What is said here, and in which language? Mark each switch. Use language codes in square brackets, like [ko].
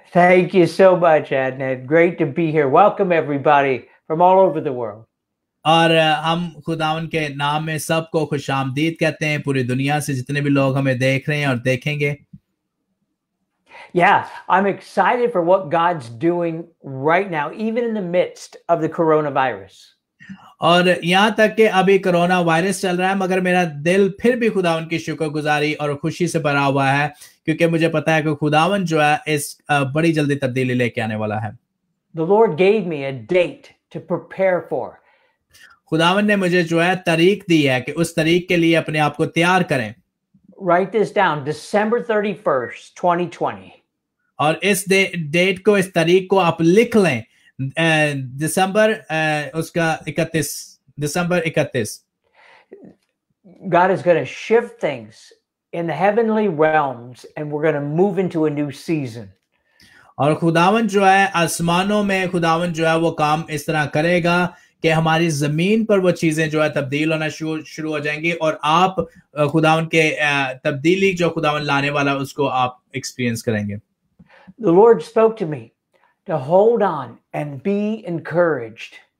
[en] Thank you so much Adnan, great to be here. Welcome everybody from all over the world. [ur] اور ہم خداون کے نام میں سب کو خوش آمدید کہتے ہیں پوری دنیا سے جتنے بھی لوگ ہمیں دیکھ رہے ہیں اور دیکھیں گے. [en] Yeah, I'm excited for what God's doing right now, even in the midst of the coronavirus. [ur] اور یہاں تک کہ ابھی کرونا وائرس چل رہا ہے مگر میرا دل پھر بھی خداون کی شکر گزاری اور خوشی سے بھرا ہوا ہے کیونکہ مجھے پتا ہے کہ خداون جو ہے اس بڑی جلدی تبدیلی لے کے آنے والا ہے. [en] The Lord gave me a date to prepare for. [ur] خداون نے مجھے جو ہے تاریخ دی ہے کہ اس تاریخ کے لیے اپنے آپ کو تیار کریں. [en] Write this down, December 31st, 2020. [ur] اور اس ڈیٹ کو, اس تاریخ کو آپ لکھ لیں, دسمبر اس کا 31, دسمبر 31. [en] God is going to shift things in the heavenly realms and we're going to move into a new season. [ur] اور خداون جو ہے آسمانوں میں خداون جو ہے وہ کام اس طرح کرے گا کہ ہماری زمین پر وہ چیزیں جو ہے تبدیل ہونا شروع ہو جائیں گی اور آپ خداون کے تبدیلی جو خداون لانے والا اس کو آپ ایکسپیرینس کریں گے. [en] The Lord spoke to me to hold on and be encouraged.